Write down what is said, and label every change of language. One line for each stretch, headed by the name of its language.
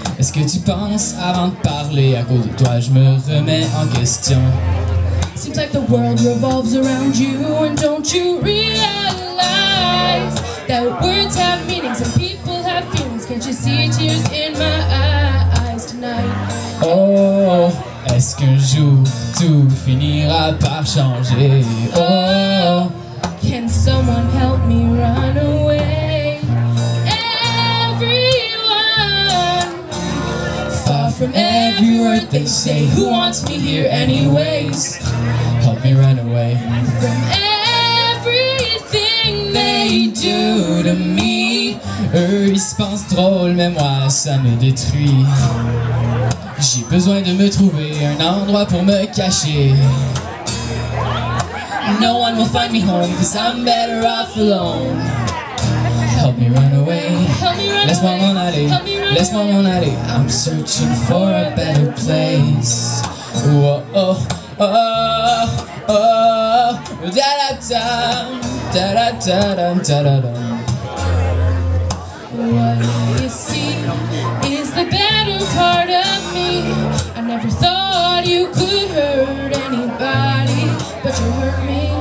French: Est-ce que tu penses avant de parler? À cause de toi, je me remets en question.
English: Seems like the world revolves around you. And don't you realize that words have meanings and people have feelings? Can't you see tears in my eyes tonight?
French: Oh, est-ce qu'un jour tout finira par changer? Oh,
English: can someone help me run away? Everyone, far from every word they say, who wants me here anyways? Help me run away from everything they do to me.
French: Eux ils se pensent drôles, mais moi ça me détruit. J'ai besoin de me trouver un endroit pour me cacher.
English: No one will find me home, cause I'm better off alone. Help me run away, help me run
French: laisse-moi m'en aller, laisse-moi m'en aller.
English: I'm searching for a better place. Oh oh oh oh, da da da, da da da da da da. What you see is the better part of me. I never thought you could hurt anybody, but you hurt me.